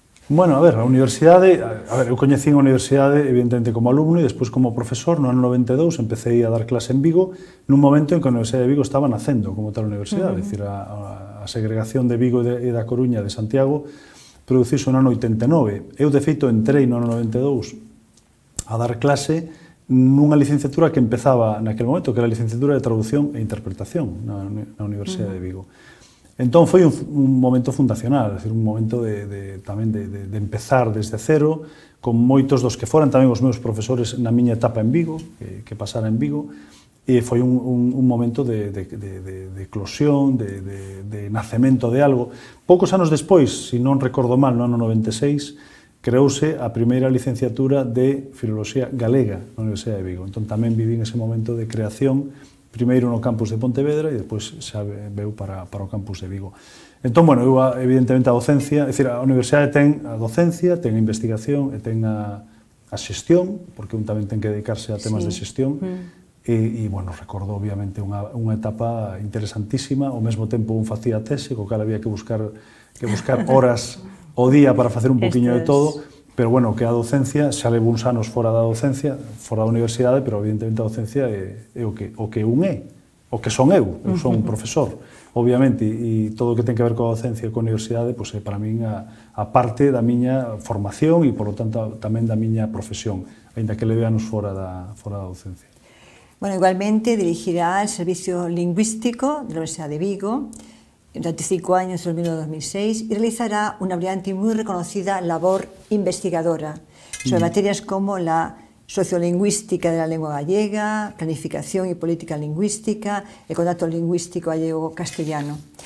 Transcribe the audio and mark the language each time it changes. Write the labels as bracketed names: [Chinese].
[Spanish] Bueno, a ver, la universidad, a ver, yo conocí en la universidad, evidentemente, como alumno y después como profesor, en el año 92 empecé a dar clase en Vigo, en un momento en que la Universidad de Vigo estaba naciendo como tal universidad, uh-huh. Es decir, [Galician] a segregación [Spanish] de Vigo y de Coruña, de Santiago, producirse en el año 89. Yo, de feito, entré en el año 92 a dar clase [Galician] nunha licenciatura que empezaba naquel momento, que era a licenciatura de traducción e interpretación na Universidade uh-huh. de Vigo. Entón, foi un momento fundacional, decir, un momento de empezar desde cero, con moitos dos que foran tamén os meus profesores na miña etapa en Vigo, que pasara en Vigo, [Spanish] Y fue un momento de eclosión, [Galician] de nacemento de algo. Pocos anos despois, se non recordo mal, no ano 96, creouse a primeira licenciatura de Filoloxía Galega na Universidade de Vigo. Entón tamén viví en ese momento de creación, primeiro no campus de Pontevedra e despois xa veu para o campus de Vigo. Entón, bueno, eu evidentemente a docencia, é dicir, a universidade ten a docencia, ten a investigación e ten a xestión, porque un tamén ten que dedicarse a temas de xestión, e bueno, recordo obviamente unha etapa interesantísima, ao mesmo tempo un facía tese, co cal había que buscar horas o día para facer un poquinho de todo, pero bueno, que a docencia, xa levo uns anos fora da docencia, fora da universidade, pero evidentemente a docencia é o que son eu, son un profesor, obviamente, e todo o que ten que ver coa docencia e coa universidade, pois é para min a parte da miña formación e, polo tanto, tamén da miña profesión, aínda que leve anos fora da docencia. [Spanish] Bueno, igualmente dirigirá el Servicio Lingüístico de la Universidad de Vigo durante 5 años, 2001-2006, y realizará una brillante y muy reconocida labor investigadora sobre materias como la sociolingüística de la lengua gallega, planificación y política lingüística, el contacto lingüístico gallego-castellano.